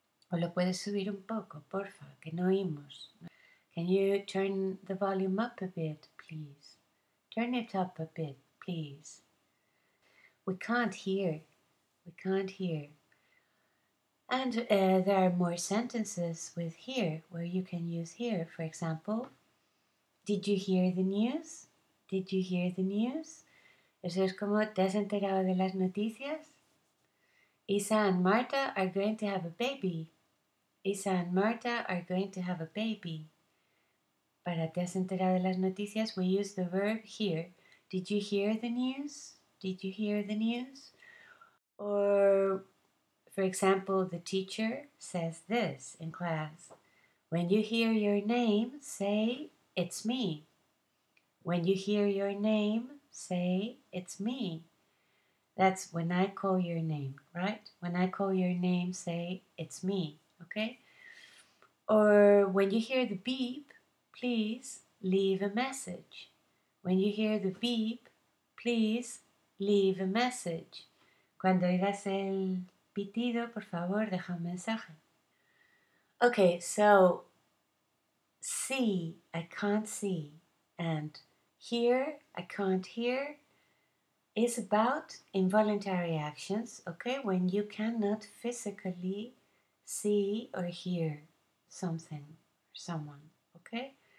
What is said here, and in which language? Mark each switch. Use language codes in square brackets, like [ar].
[es] O lo puedes subir un poco, porfa, que no oímos. [en] Can you turn the volume up a bit, please? Turn it up a bit, please. We can't hear. We can't hear. And there are more sentences with hear, where you can use hear. For example, did you hear the news? Did you hear the news? [es] Eso es como, ¿te has enterado de las noticias? [en] Isa and Marta are going to have a baby. Isa and Marta are going to have a baby. [es] Para te has enterado de las noticias, [en] we use the verb hear. Did you hear the news? Did you hear the news? Or, for example, the teacher says this in class. When you hear your name, say, it's me. When you hear your name, say, it's me. That's when I call your name, right? When I call your name, say, it's me, okay? Or when you hear the beep, please leave a message. When you hear the beep, please leave a message. [es] Cuando oigas el pitido, por favor, deja un mensaje. [en] Okay, so see, I can't see, and hear, I can't hear, is about involuntary actions, okay, when you cannot physically see or hear something, someone, okay?